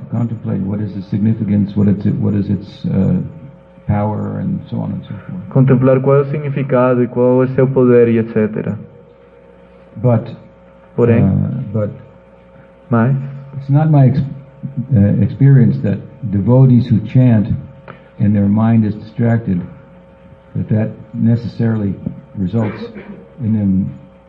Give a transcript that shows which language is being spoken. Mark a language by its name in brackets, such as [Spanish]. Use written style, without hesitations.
[English] To contemplate what is the significance, what is its power and so on and so forth. [Portuguese] Contemplar qual é o significado e qual é o seu poder e etc. [English] But it's not my experience that devotees who chant and their mind is distracted, that necessarily results in them